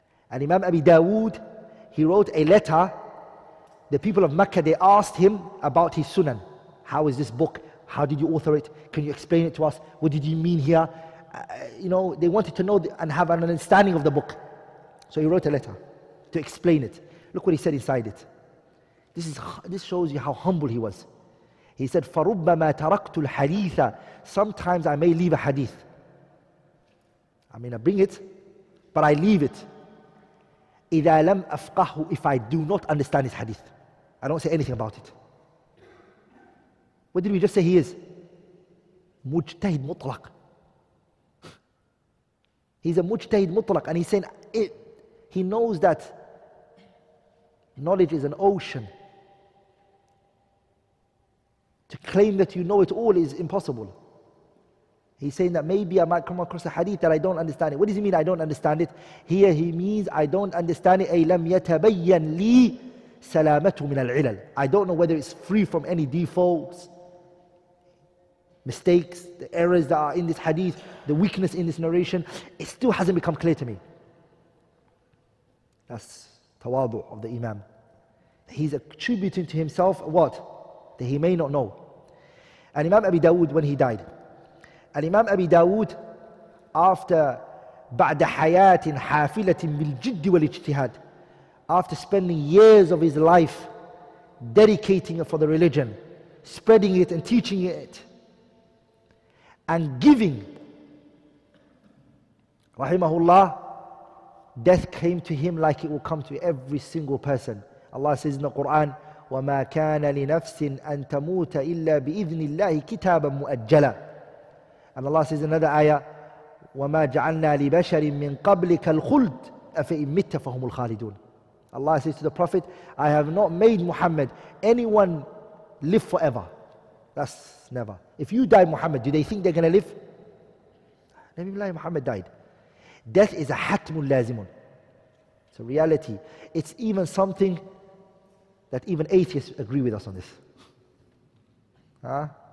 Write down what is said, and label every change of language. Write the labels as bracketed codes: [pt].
[en] Al-Imam Abu Dawood, he wrote a letter. The people of Makkah, they asked him about his sunan. "How is this book? How did you author it? Can you explain it to us? What did you mean here?" You know, they wanted to know and have an understanding of the book. So he wrote a letter to explain it. Look what he said inside it. This shows you how humble he was. [ar] He said, "فَرُبَّمَا تَرَكْتُ الْحَدِيثَ." [en] Sometimes I may leave a hadith. I mean, I bring it, but I leave it. [ar] "إِذَا لَمْ أَفْقَهُ." [en] If I do not understand this hadith, I don't say anything about it. What did we just say he is? Mujtahid mutlaq. He's a mujtahid mutlaq, and he's saying it. He knows that knowledge is an ocean. To claim that you know it all is impossible. He's saying that maybe I might come across a hadith that I don't understand it. What does he mean, "I don't understand it"? Here he means, "I don't understand it." [ar] أي لم يتبين لي سلامته من العلل. [en] I don't know whether it's free from any defaults, mistakes, the errors that are in this hadith, the weakness in this narration, it still hasn't become clear to me. That's tawadu of the Imam. He's attributing to himself what? That he may not know. And Imam Abi Dawood, when he died, and Imam Abi Dawood, after ba'da hayatin hafilatin bil jiddi wal ijtihad, after spending years of his life dedicating it for the religion, spreading it and teaching it, and giving, rahimahullah, death came to him like it will come to every single person. [ar] Allah says in the Quran, "وَمَا كَانَ لِنَفْسٍ أَن تَمُوتَ إِلَّا بِإِذْنِ اللَّهِ كِتَابًا مُؤَجَّلًا." And Allah says another ayah, "وَمَا جَعَلْنَا لِبَشَرٍ مِّن قَبْلِكَ الْخُلْدِ أَفَإِن مِتَّ فَهُمُ الْخَالِدُونَ." [en] Allah says to the Prophet, "I have not made Muhammad anyone live forever." That's never. If you die, Muhammad, do they think they're going to live? Nabiullah Muhammad died. Death is a hatmun lazimun. It's a reality. It's even something that even atheists agree with us on this. Huh?